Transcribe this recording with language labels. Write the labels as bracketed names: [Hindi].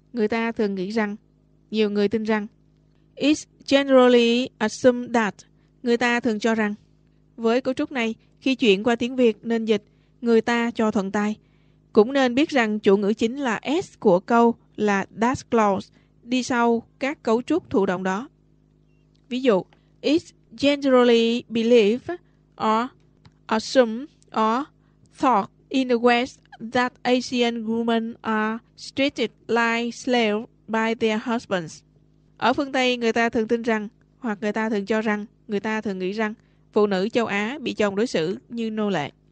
[Vietnamese] Người ta thường nghĩ rằng. Nhiều người tin rằng. [English] It's generally assumed that. [Vietnamese] Người ta thường cho rằng. Với cấu trúc này, khi chuyển qua tiếng Việt nên dịch người ta cho thuận tai. Cũng nên biết rằng chủ ngữ chính là S của câu là that clause đi sau các cấu trúc thụ động đó. Ví dụ, [English] it's generally believed or assumed or thought in the West that Asian women are treated like slaves by their husbands. [Vietnamese] Ở phương Tây, người ta thường tin rằng hoặc người ta thường cho rằng người ta thường nghĩ rằng phụ nữ châu Á bị chồng đối xử như nô lệ.